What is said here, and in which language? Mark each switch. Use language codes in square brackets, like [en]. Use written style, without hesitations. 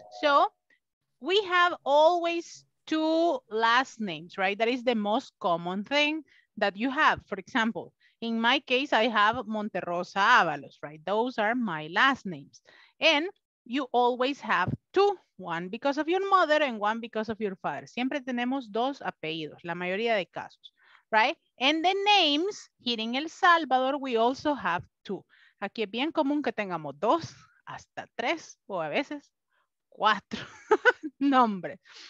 [en] So we have always two last names, right? That is the most common thing that you have. For example, in my case, I have Monterrosa Avalos, right? Those are my last names. And you always have two, one because of your mother and one because of your father. [es] Siempre tenemos dos apellidos, la mayoría de casos, [en] right? And the names, here in El Salvador, we also have two. [es] Aquí es bien común que tengamos dos, hasta tres, o a veces cuatro nombres.